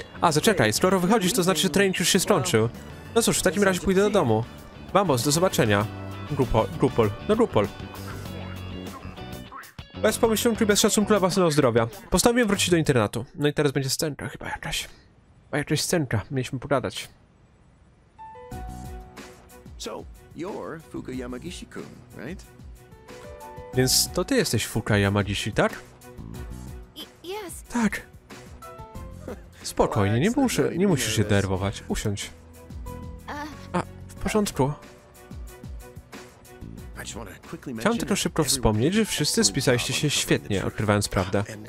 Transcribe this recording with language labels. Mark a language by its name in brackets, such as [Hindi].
[Polish] A, zaczekaj, skoro wychodzisz, to znaczy, że trening już się skończył. No cóż, w takim razie pójdę do domu. Bambos, do zobaczenia. Grupol. Bez pomyślunku i bez szacunku dla własnego zdrowia. Postanowiłem wrócić do internatu. No i teraz będzie scenka chyba jakaś. Chyba jakaś scenka. Mieliśmy pogadać. [English] So, you're Fuka Yamagishi-kun, right? [Polish] Więc to ty jesteś Fuka Yamagishi, tak? [English] Yes. [Polish] Tak. Spokojnie, nie musisz się denerwować. Usiądź. A, w porządku. Chciałem tylko szybko wspomnieć, że wszyscy spisaliście się świetnie, odkrywając prawdę.